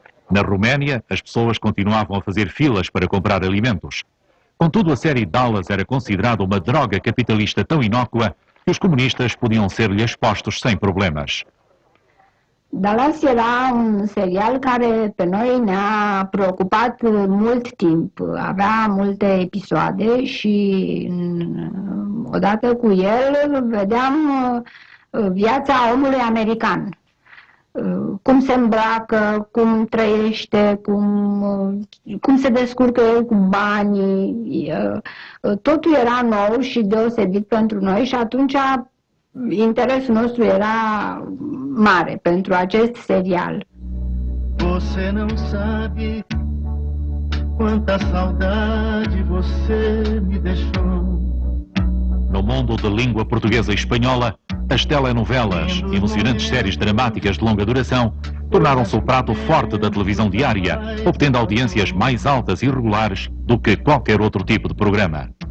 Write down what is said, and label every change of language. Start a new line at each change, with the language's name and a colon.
Portuguese: Na Roménia, as pessoas continuavam a fazer filas para comprar alimentos. Contudo, a série Dallas era considerada uma droga capitalista tão inócua que os comunistas podiam ser-lhe expostos sem problemas.
Romanian: Dallas era un serial care pe noi ne-a preocupat mult timp. Avea multe episoade și odată cu el vedeam viața omului american. cum se îmbracă, cum trăiește, cum se descurcă el cu banii. Totul era nou și deosebit pentru noi și atunci interesul nostru era mare pentru acest serial.
Portuguese: Você não sabe quanta saudade você me deixou. No mundo da língua portuguesa e espanhola, as telenovelas, emocionantes séries dramáticas de longa duração, tornaram-se o prato forte da televisão diária, obtendo audiências mais altas e regulares do que qualquer outro tipo de programa.